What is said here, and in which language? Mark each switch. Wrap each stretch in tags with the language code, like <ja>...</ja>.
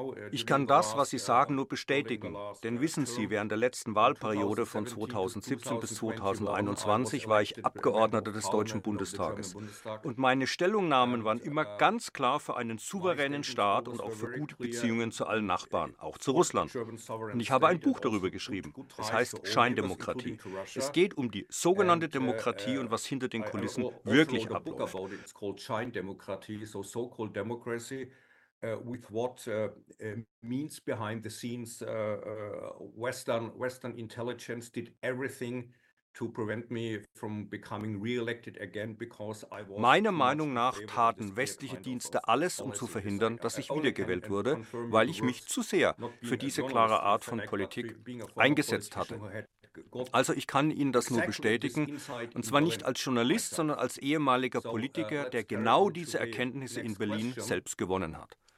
<de>Ich kann das, was Sie sagen, nur bestätigen. Denn wissen Sie, während der letzten Wahlperiode von 2017 bis 2021 war ich Abgeordneter des Deutschen Bundestages. Und meine Stellungnahmen waren immer ganz klar für einen souveränen Staat und auch für gute Beziehungen zu allen Nachbarn, auch zu Russland. Und ich habe ein Buch darüber geschrieben. Es heißt Scheindemokratie. Es geht um die sogenannte Demokratie und was hinter den Kulissen wirklich abläuft.</de> <en>So so-called democracy with what means behind the scenes Western intelligence did everything to prevent me from becoming re-elected again because I was.</en> <de>Meiner Meinung nach taten westliche Dienste alles, um zu verhindern, dass ich wiedergewählt wurde, weil ich mich zu sehr für diese klare Art von Politik eingesetzt hatte. Also ich kann Ihnen das nur bestätigen, und zwar nicht als Journalist, sondern als ehemaliger Politiker, der genau diese Erkenntnisse in Berlin selbst gewonnen hat.</de>